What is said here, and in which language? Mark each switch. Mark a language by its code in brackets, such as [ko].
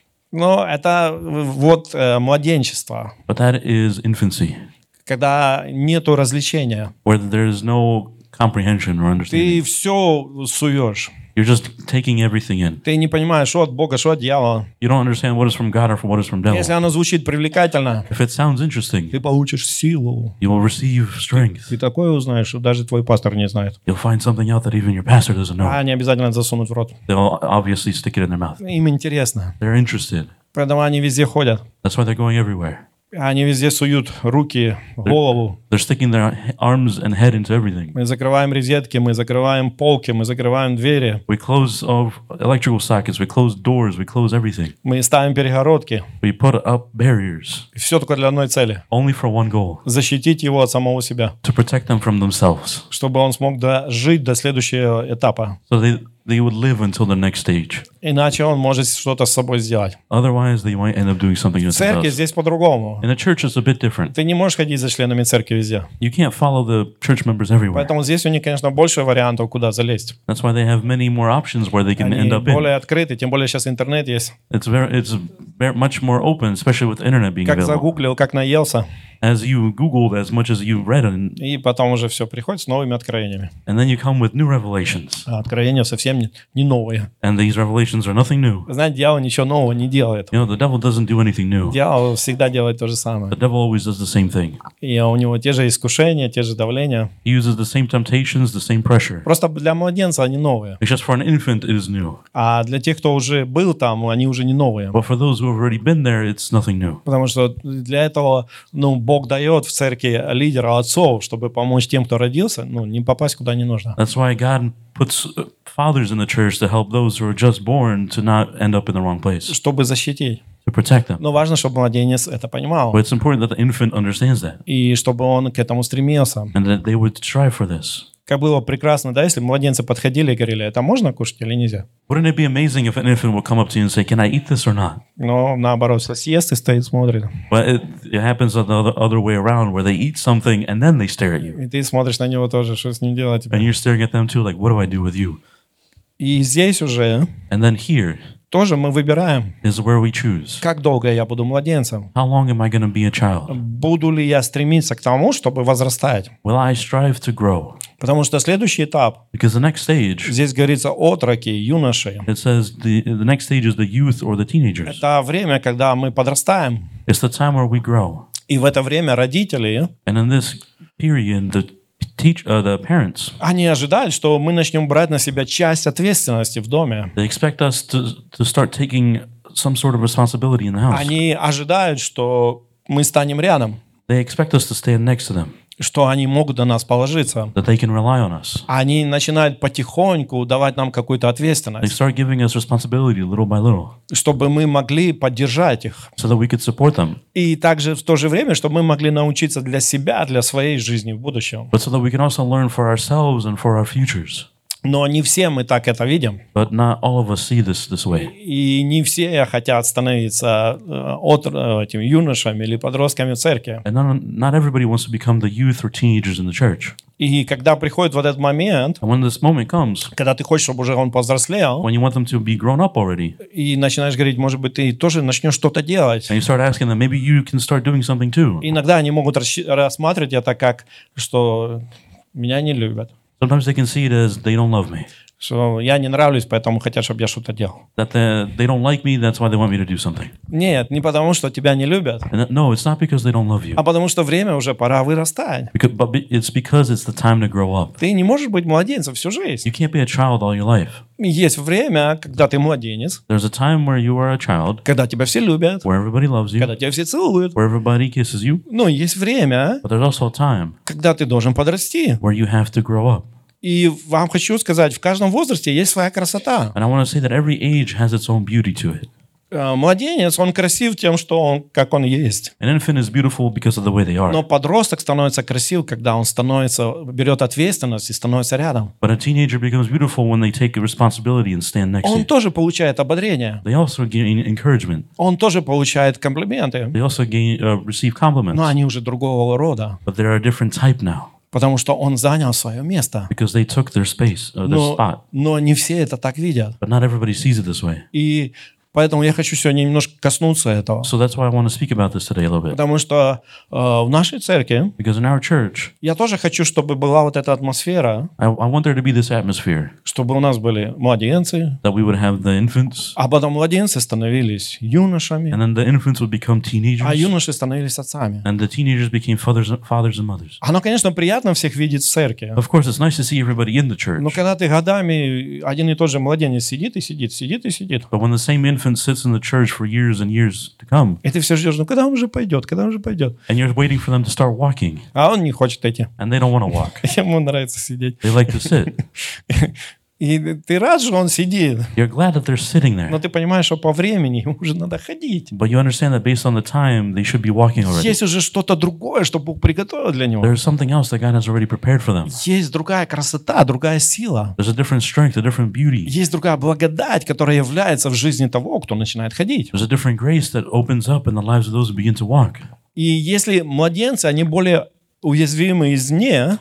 [ru] Но это вот младенчество. [en] But that is infancy. [ru] Когда нету развлечения. [en] Where there is no comprehension or understanding. [ru] Ты все суешь. [en] You're just taking everything in. [ru] Ты не понимаешь, что от Бога, что от дьявола. [en] You don't understand what is from God or from what is from devil. [ru] Если оно звучит привлекательно, [en] if it sounds interesting, [ru] ты получишь силу. [en] You will receive strength. [ru] Ты такое узнаешь, что даже твой пастор не знает. [en] You'll find something out that even your pastor doesn't know. [ru] А не обязательно засунуть в рот. [en] They'll obviously stick it in their mouth. [ru] Им интересно. [en] They're interested. [ru] Поэтому они везде ходят. [en] That's why they're going everywhere. [ru] Они везде суют руки, [en] they're, [ru] голову. [en] They're sticking their arms and head into everything. [ru] Мы закрываем розетки, мы закрываем полки, мы закрываем двери. [en] We close off electrical sockets, we close doors, we close everything. [ru] Мы ставим перегородки. [en] We put up barriers. [ru] Все только для одной цели. [en] Only for one goal. [ru] Защитить его от самого себя. [en] To protect them from themselves. [ru] Чтобы он смог дожить до следующего этапа. [en] So they would live until the next stage. [ru] Иначе он может что-то с собой сделать. [en] Otherwise, they might end up doing something else. [ru] В церкви здесь по-другому. [en] In the church, it's a bit different. [ru] Ты не можешь ходить за членами церкви везде. [en] You can't follow the church members everywhere. [ru] Поэтому здесь у них, конечно, больше вариантов, куда залезть. [en] That's why they have many more options where they can [ru] Они [en] end up [ru] более [en] in. [ru] Открыты, тем более сейчас интернет есть. [en] It's much more open, especially with internet being [ru] как Как загуглил, как наелся. [en] As you googled, as much as you read, [ru] и потом уже все приходит с новыми откровениями. [en] And then you come with new revelations. [ru] А откровения совсем не новые. [en] And these revelations are nothing new. [ru] Знаете, дьявол ничего нового не делает. [en] You know, the devil doesn't do anything new. [ru] Дьявол всегда делает то же самое. [en] The devil always does the same thing. [ru] И у него те же искушения, те же давления. [en] He uses the same temptations, the same pressure. [ru] Просто для младенца они новые. [en] It's just for an infant, it is new. [ru] А для тех, кто уже был там, они уже не новые. [en] But for those who have already been there, it's nothing new. [ru] Потому что для этого, ну, Бог дает в церкви лидера отцов, чтобы помочь тем, кто родился, ну, не попасть куда не нужно. [en] That's why God puts fathers in the church to help those who are just born to not end up in the wrong place. [ru] Чтобы защитить. [en] To protect them. [ru] Но важно, чтобы младенец это понимал. [en] But it's important that the infant understands that. [ru] И чтобы он к этому стремился. [en] And that they would strive for this. [ru] Как было прекрасно, да, если младенцы подходили и говорили, это можно кушать или нельзя? [en] Wouldn't it be amazing if an infant would come up to you and say, can I eat this or not? [ru] Но наоборот, все съест и стоит, смотрит. [en] But it happens the other way around, where they eat something and then they stare at you. [ru] И ты смотришь на него тоже, что с ним делать? [en] And you're staring at them too, like, what do I do with you? [ru] И здесь уже... [en] And then here... [ru] Тоже мы выбираем. [en] Is where we choose. [ru] Как долго я буду младенцем? [en] How long am I going to be a child? [ru] Буду ли я стремиться к тому, чтобы возрастать? [en] Will I strive to grow? [ru] Потому что следующий этап. [en] Because the next stage. [ru] Здесь говорится отроки, юноши. [en] It says the next stage is the youth or the teenagers. [ru] Это время, когда мы подрастаем. [en] It's the time where we grow. [ru] И в это время родители. [en] And in this period, the the parents. [ru] Они ожидают, что мы начнем брать на себя часть ответственности в доме. [en] They expect us to start taking some sort of responsibility in the house. [ru] Они ожидают, что мы станем рядом. [en] They expect us to stand next to them. [ru] Что они могут на нас положиться. [en] That they can rely on us. [ru] Они начинают потихоньку давать нам какую-то ответственность. [en] They start giving us responsibility little by little. [ru] Чтобы мы могли поддержать их. [en] So that we could support them. [ru] И также в то же время, чтобы мы могли научиться для себя, для своей жизни в будущем. [en] But so that we can also learn for ourselves and for our futures. [ru] Но не все мы так это видим. [en] But not all of us see this way. [ru] И не все хотят становиться этими юношами или подростками в церкви. [en] And not everybody wants to become the youth or teenagers in the church. [ru] И когда приходит вот этот момент, [en] when this moment comes, [ru] когда ты хочешь, чтобы уже он повзрослел, [en] when you want them to be grown up already, [ru] и начинаешь говорить, может быть, ты тоже начнешь что-то делать. [en] And you start asking them, maybe you can start doing something too. [ru] Иногда они могут рассматривать это как, что меня не любят. [en] Sometimes they can see it as they don't love me. [ru] Что я не нравлюсь, поэтому хотят, чтобы я что-то делал. [en] That they don't like me, that's why they want me to do something. [ru] Нет, не потому, что тебя не любят. [en] No, it's not because they don't love you. [ru] А потому, что время уже пора вырастать. [en] It's because it's the time to grow up. [ru] Ты не можешь быть младенцем всю жизнь. [en] You can't be a child all your life. [ru] Есть время, когда ты младенец. [en] There's a time where you are a child. [ru] Когда тебя все любят. [en] Where everybody loves you. [ru] Когда тебя все целуют. [en] Where everybody kisses you. [ru] Но есть время. [en] But there's also a time. [ru] Когда ты должен подрасти. [en] Where you have to grow up. [ru] И вам хочу сказать, в каждом возрасте есть своя красота. [en] And I want to say that every age has its own beauty to it. [ru] Младенец, он красив тем, что он, как он есть. [en] An infant is beautiful because of the way they are. [ru] Но подросток становится красив, когда он становится, берет ответственность и становится рядом. [en] But a teenager becomes beautiful when they take responsibility and stand next to you. [ru] Он тоже получает ободрение. [en] They also gain encouragement. [ru] Он тоже получает комплименты. [en] They also gain, receive compliments. [ru] Но они уже другого рода. [en] But they are a different type now. [ru] Потому что он занял свое место. [en] Because they took their space, their spot. [ru] Но не все это так видят. [en] But not everybody sees it this way. [ru] И Поэтому я хочу сегодня немножко коснуться этого. [en] So that's why I want to speak about this today a little bit. [ru] Потому что в нашей церкви, [en] because in our church, [ru] я тоже хочу, чтобы была вот эта атмосфера, [en] I want there to be this atmosphere, [ru] чтобы у нас были младенцы, [en] that we would have the infants, [ru] а потом младенцы становились юношами, [en] and then the infants would become teenagers, [ru] а юноши становились отцами. [en] And the teenagers became fathers, fathers and mothers. [ru] Оно, конечно, приятно всех видеть в церкви. [en] Of course, it's nice to see everybody in the church. [ru] Но когда ты годами один и тот же младенец сидит и сидит, сидит и сидит, [en] but when the same infant sits in the church for years and years to come. [ru] И ты все ждешь, ну когда он уже пойдет, когда он уже пойдет? [en] And you're waiting for them to start walking. [ru] А он не хочет идти. [en] And they don't want to walk. [ru] Ему нравится сидеть. [en] They like to sit. [ru] И ты рад, что он сидит. [en] You're glad that they're sitting there. [ru] Но ты понимаешь, что по времени ему уже надо ходить. [en] But you understand that based on the time, they should be walking already. [ru] Есть уже что-то другое, что Бог приготовил для него. [en] There's something else that God has already prepared for them. [ru] Есть другая красота, другая сила. [en] There's a different strength, a different beauty. [ru] Есть другая благодать, которая является в жизни того, кто начинает ходить. [en] There's a different grace that opens up in the lives of those who begin to walk. [ru] И если младенцы, они более уязвимы извне.